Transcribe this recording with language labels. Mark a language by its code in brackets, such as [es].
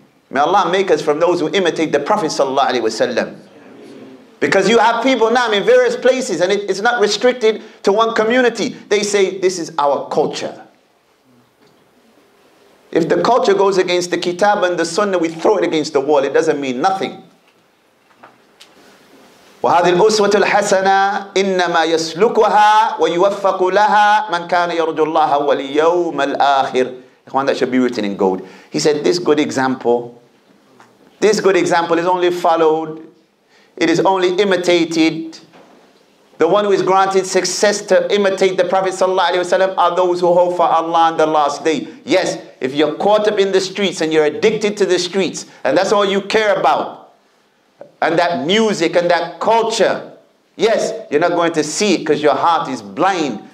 [en] May Allah make us from those who imitate the Prophet sallallahu alaihi wasallam. Because you have people now in various places, and it's not restricted to one community. They say, this is our culture. If the culture goes against the kitab and the sunnah, we throw it against the wall. It doesn't mean nothing. [ar] وَهَذِهِ الْأُسْوَةُ الْحَسَنَةُ إِنَّمَا يَسْلُكُهَا وَيُوَفَّقُ لَهَا مَنْ كَانَ يَرْجُ اللَّهَ وَالْيَوْمَ الْآخِرِ [en] Ikhwan, that should be written in gold. He said, this good example is only followed, it is only imitated. The one who is granted success to imitate the Prophet sallallahu alaihi wasallam are those who hope for Allah on the last day. Yes, if you're caught up in the streets and you're addicted to the streets, and that's all you care about, and that music and that culture, yes, you're not going to see it because your heart is blind.